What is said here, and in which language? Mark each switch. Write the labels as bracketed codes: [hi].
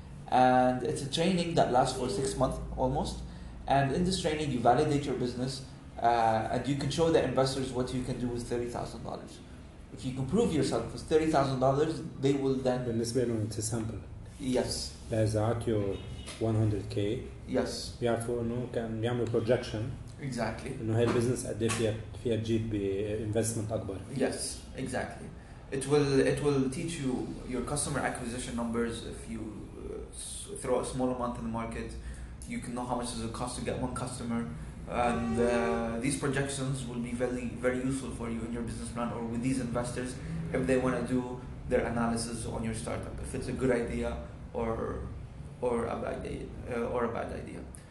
[en] And it's a training that lasts for 6 months almost. And in this training, you validate your business and you can show the investors what you can do with $30,000. If you can prove yourself with $30,000, they will then... [ar] بالنسبة لهم, [en] it's a sample. Yes. There's a ratio 100K. Yes. [ar] بيعرفوا أنه كان بيعملوا projection. [en] Exactly. [ar] أنه هاي البزنس قد فيها فيها تجيب بinvestment أكبر. [en] Yes, exactly. It will teach you your customer acquisition numbers if you throw a small amount in the market. You can know how much does it cost to get one customer, and these projections will be very, very useful for you in your business plan or with these investors if they want to do their analysis on your startup, if it's a good idea or a bad idea.